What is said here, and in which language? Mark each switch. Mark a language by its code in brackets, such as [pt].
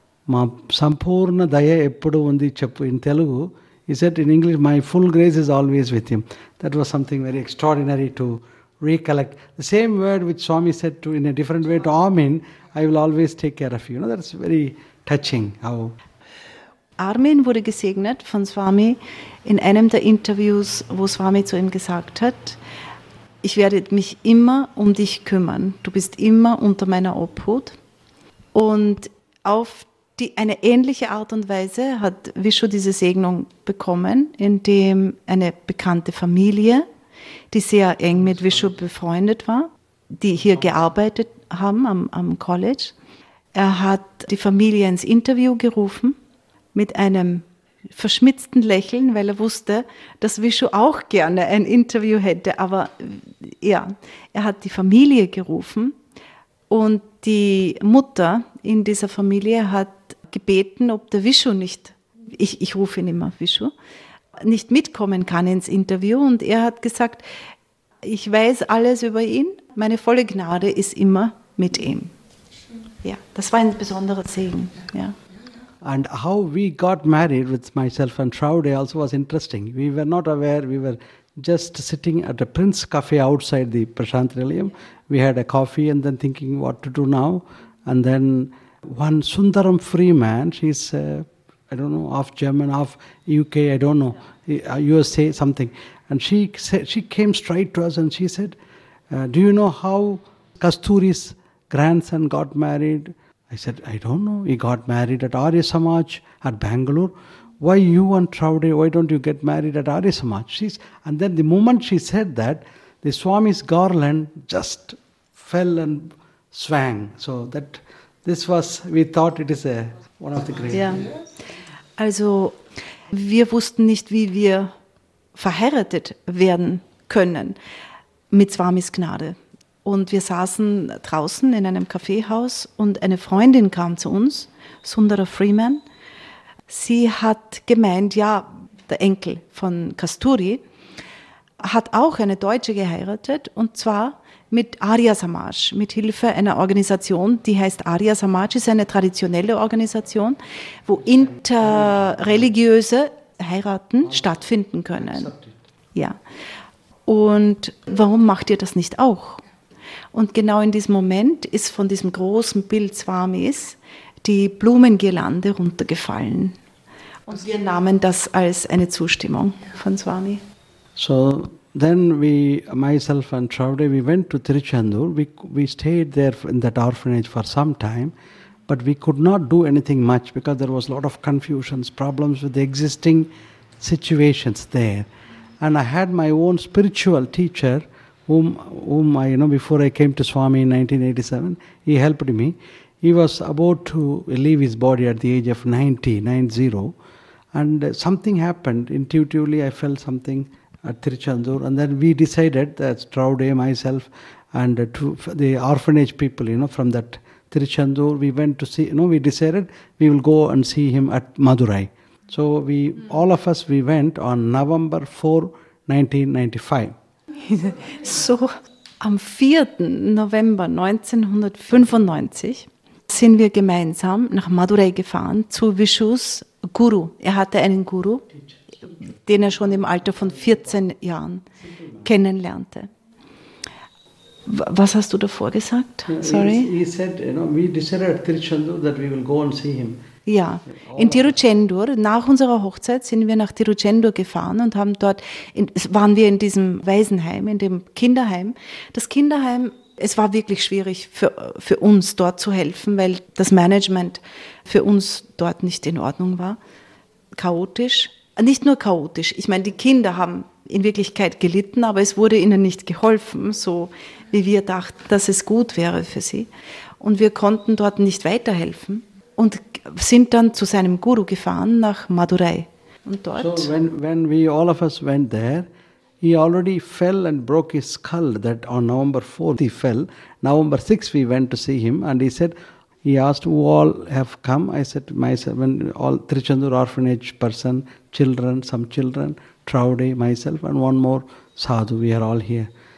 [te] Ma sampurna daya eppudu undi cheppu [en] in Telugu. He said in English, my full grace is always with him. That was something very extraordinary to recollect. The same word which Swami said to in a different way to Armin, I will always take care of you. That's very touching. How [de] Armin wurde gesegnet von Swami in einem der Interviews, wo Swami zu ihm gesagt hat, ich werde mich immer um dich kümmern. Du bist immer unter meiner Obhut. Und auf eine ähnliche Art und Weise hat Vishu diese Segnung bekommen, indem eine bekannte Familie, die sehr eng mit Vishu befreundet war, die hier gearbeitet haben am College, er hat die Familie ins Interview gerufen mit einem verschmitzten Lächeln, weil er wusste, dass Vishu auch gerne ein Interview hätte. Aber ja, er hat die Familie gerufen und die Mutter in dieser Familie hat gebeten, ob der Vishu nicht, ich rufe ihn immer Vishu, nicht mitkommen kann ins Interview. Und er hat gesagt, ich weiß alles über ihn, meine volle Gnade ist immer mit ihm. Ja, das war ein besonderer Segen. Ja. [en] And how we got married with myself and Traude also was interesting. We were not aware, we were just sitting at a Prince Cafe outside the Prashantralayam. We had a coffee and then thinking what to do now. And then one Sundaram Freeman, she's, half German, half UK, I don't know, USA, something. And she came straight to us and she said, do you know how Kasturi's grandson got married? I said, I don't know. He got married at Arya Samaj at Bangalore. Why you and Traude, why don't you get married at Arya Samaj? And then the moment she said that, the Swami's garland just fell and swang. So that this was, we thought it is one of the great. Yeah. [de] Also, wir wussten nicht, wie wir verheiratet werden können mit Swamis Gnade. Und wir saßen draußen in einem Kaffeehaus und eine Freundin kam zu uns, Sundara Freeman. Sie hat gemeint, ja, der Enkel von Kasturi hat auch eine Deutsche geheiratet und zwar mit Arya Samaj, mit Hilfe einer Organisation, die heißt Arya Samaj, ist eine traditionelle Organisation, wo interreligiöse Heiraten stattfinden können. Ja. Und warum macht ihr das nicht auch? Und genau in diesem Moment ist von diesem großen Bild Swamis die Blumengirlande runtergefallen. Und wir nahmen das als eine Zustimmung von Swami. [en] So then myself and Traude, we went to Tiruchendur. We stayed there in that orphanage for some time, but we could not do anything much because there was a lot of confusions, problems with the existing situations there. And I had my own spiritual teacher, whom I, before I came to Swami in 1987, he helped me. He was about to leave his body at the age of 90, and something happened. Intuitively, I felt something at Tiruchendur, and then we decided, that Traude, myself, and the orphanage people, from that Tiruchendur, we went to see, we decided we will go and see him at Madurai. So we, all of us, we went on November 4, 1995. [de] So, am 4. November 1995 sind wir gemeinsam nach Madurai gefahren zu Vishus Guru. Er hatte einen Guru, den er schon im Alter von 14 Jahren kennenlernte. Was hast du davor gesagt? Sorry. [en] He said, we decided at Tiruchendur that we will go and see him. [de] Ja, in Tiruchendur. Nach unserer Hochzeit sind wir nach Tiruchendur gefahren und haben dort, waren wir in diesem Waisenheim, in dem Kinderheim. Das Kinderheim, es war wirklich schwierig für uns dort zu helfen, weil das Management für uns dort nicht in Ordnung war. Chaotisch. Nicht nur chaotisch. Ich meine, die Kinder haben in Wirklichkeit gelitten, aber es wurde ihnen nicht geholfen, so wie wir dachten, dass es gut wäre für sie. Und wir konnten dort nicht weiterhelfen und sind dann zu seinem Guru gefahren nach Madurai. Und dort. [en] So when we all of us went there, he already fell and broke his skull. That on November 4th he fell. November 6th we went to see him and he said, he asked who all have come. I said myself and all Trichandur orphanage person, children, some children, Traude, myself and one more sadhu. We are all here.